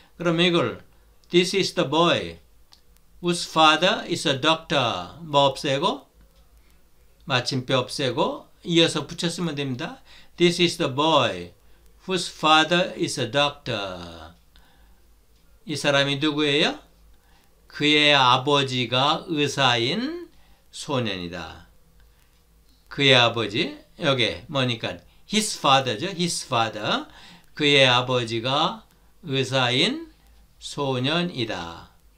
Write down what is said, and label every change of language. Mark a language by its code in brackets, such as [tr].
[ko] 그럼 이걸 [en] This is the boy whose father is a doctor. [ko] 뭐 없애고? 마침표 없애고 이어서 붙였으면 됩니다. [en] This is the boy whose father is a doctor. [ko] 이 사람이 누구예요? 그의 아버지가 의사인 소년이다. 그의 아버지, 여기 뭐니까 his father죠. [en] His father. [ko] 그의 아버지가 의사인 소년이다.